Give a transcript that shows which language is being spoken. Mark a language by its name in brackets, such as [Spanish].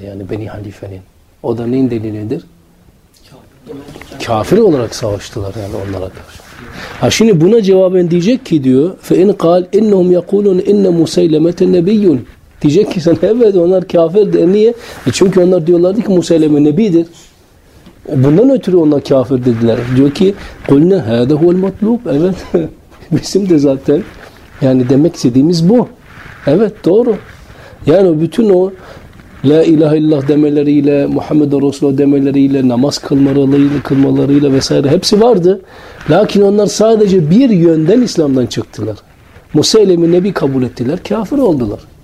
[Turkish] Yani Beni Hanife'nin. O da neyin delili nedir? Kafir olarak savaştılar yani onlara karşı. Ha şimdi buna cevaben diyecek ki diyor, [Arabic] فَاِنْ قَالْ اِنَّهُمْ يَقُولُونَ اِنَّ مُسَيْلَمَةَ النَّبِيُّنْ. [Turkish] Diyecek ki sen, evet onlar kafirdir. Niye? Çünkü onlar diyorlardı ki Musaylem'e nebidir. Bundan ötürü onlar kafir dediler. Diyor ki [Arabic] قُلْنَا هَذَا هُوَ الْمَطْلُوبُ. [Turkish] Evet. Bizim de zaten yani demek istediğimiz bu. Evet, doğru. Yani bütün o La ilahe illallah demeleriyle, Muhammed'e Resulü demeleriyle, namaz kılmalarıyla vesaire hepsi vardı. Lakin onlar sadece bir yönden İslam'dan çıktılar. Musaylem'i nebi kabul ettiler, kafir oldular.